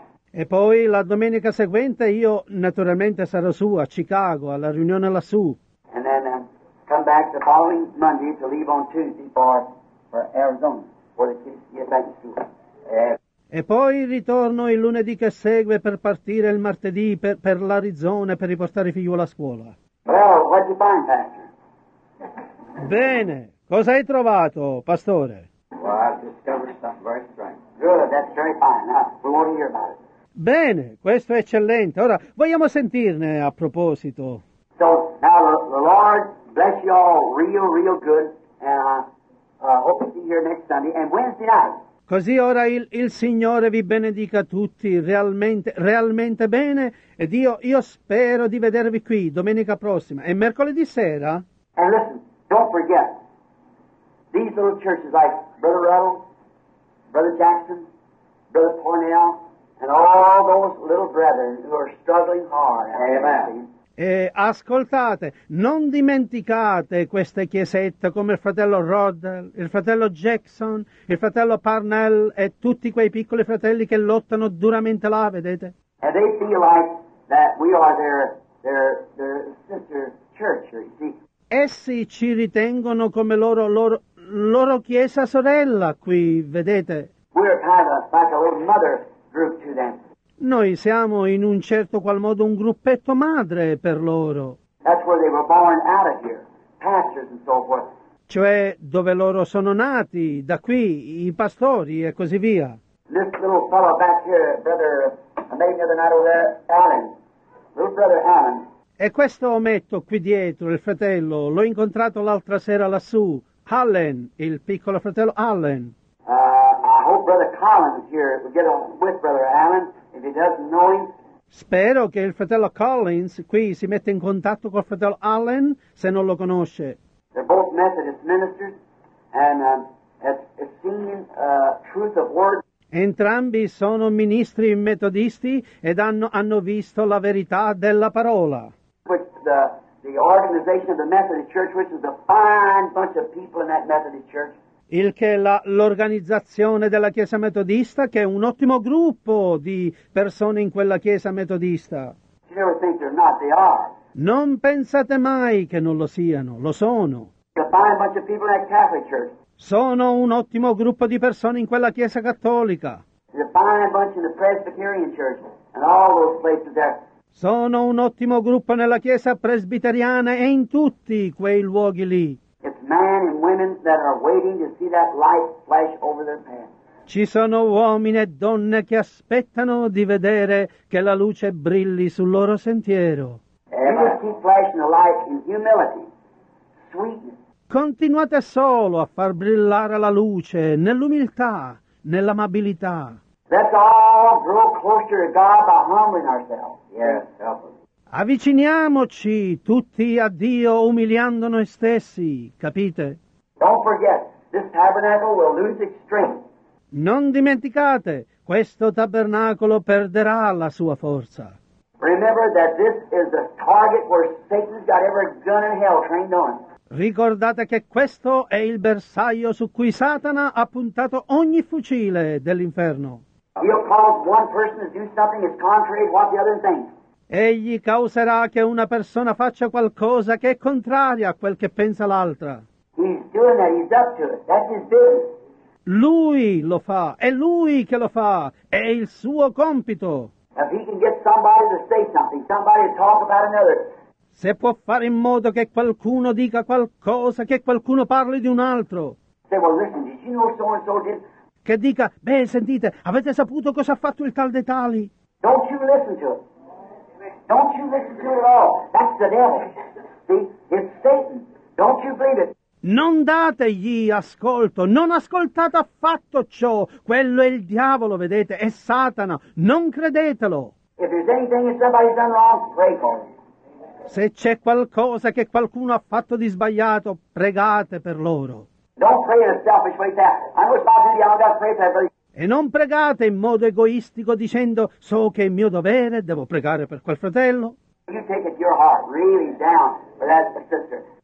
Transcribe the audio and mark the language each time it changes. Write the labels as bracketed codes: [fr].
[it] E poi la domenica seguente io naturalmente sarò su a Chicago alla riunione lassù. [en] And then come back the following Monday to leave on Tuesday for Arizona for the kids to get back to school. [it] E poi ritorno il lunedì che segue per partire il martedì per l'Arizona per riportare i figlioli a scuola. [en] Well, what'd you find, Pastor? [it] Bene, cosa hai trovato, pastore? [en] Well, I've discovered something very strange. Good, that's very fine. Now, we want to hear about it. [it] Bene, questo è eccellente. Ora, vogliamo sentirne a proposito. [en] So, now the Lord bless you all real, real good. And I hope to see you here next Sunday and Wednesday night. [it] Così ora il Signore vi benedica tutti realmente, realmente bene ed io spero di vedervi qui domenica prossima e mercoledì sera. [en] And listen, don't forget, these little churches like Brother Ruddle, Brother Jackson, Brother Cornell, and all those little brethren who are struggling hard. Amen. [it] E ascoltate, non dimenticate queste chiesette come il fratello Rod, il fratello Jackson, il fratello Parnell e tutti quei piccoli fratelli che lottano duramente là, vedete? [en] And they feel like that we are their sister church, you see. [it] Essi ci ritengono come loro chiesa sorella qui, vedete? [en] We are kind of like a little mother group to them. [it] Noi siamo in un certo qual modo un gruppetto madre per loro. [en] That's where they were born out of here, pastors and so forth. [it] Cioè dove loro sono nati, da qui, i pastori e così via. [en] This little fellow back here, brother, I met him the other night over there, Alan, little brother Alan. [it] E questo ometto qui dietro, il fratello, l'ho incontrato l'altra sera lassù, Allen, il piccolo fratello Allen. [en] I hope brother Collins is here, we get on with brother Alan. If he doesn't know him. [it] Spero che il fratello Collins qui si metta in contatto col fratello Allen se non lo conosce. [en] They're both Methodist ministers and have seen truth of word. [it] Entrambi sono ministri metodisti ed hanno visto la verità della parola. [en] Which the organization of the Methodist Church, which is a fine bunch of people in that Methodist Church. [it] Il che è l'organizzazione della Chiesa Metodista, che è un ottimo gruppo di persone in quella Chiesa Metodista. [en] You never think they're not, they are. [it] Non pensate mai che non lo siano, lo sono. [en] A fine bunch of people in that Catholic Church. [it] Sono un ottimo gruppo di persone in quella Chiesa Cattolica. [en] A fine bunch in the Presbyterian Church and all those places there. [it] Sono un ottimo gruppo nella Chiesa Presbiteriana e in tutti quei luoghi lì. [en] Men and women that are waiting to see that light flash over their pants. [it] Ci sono uomini e donne che aspettano di vedere che la luce brilli sul loro sentiero. [en] And you keep flashing the light in humility, sweetness. [it] Continuate solo a far brillare la luce nell'umiltà, nell'amabilità. [en] Let's all grow closer to God by humbling ourselves. Yes, help us. [it] Avviciniamoci tutti a Dio umiliando noi stessi, capite? [en] Don't forget, this tabernacle will lose its strength. [it] Non dimenticate, questo tabernacolo perderà la sua forza. [en] Remember that this is the target where Satan's got every gun in hell trained on. [it] Ricordate che questo è il bersaglio su cui Satana ha puntato ogni fucile dell'inferno. [en] He'll cause one person to do something that's contrary to what the other thinks. [it] Egli causerà che una persona faccia qualcosa che è contraria a quel che pensa l'altra. [en] He's doing that. He's up to it. That's his business. [it] Lui lo fa. È lui che lo fa. È il suo compito. [en] If he can get somebody to say something, somebody to talk about another. [it] Se può fare in modo che qualcuno dica qualcosa, che qualcuno parli di un altro. [en] Say, well, listen, did you know so-and-so did? [it] Che dica, beh, sentite, avete saputo cosa ha fatto il tal dei tali? [en] Don't you listen to it. Don't you listen to it at all. That's the devil. See, it's Satan. Don't you believe it. [it] Non dategli ascolto, non ascoltate affatto ciò. Quello è il diavolo, vedete, è Satana. Non credetelo. [en] If there's anything that somebody's done wrong, pray for it. [it] Se c'è qualcosa che qualcuno ha fatto di sbagliato, pregate per loro. [en] Don't pray in a selfish way, Pat. I know it's my duty, I'm going to pray for everybody. [it] E non pregate in modo egoistico dicendo so che è mio dovere, devo pregare per quel fratello. [en] You take it your heart really down for that sister.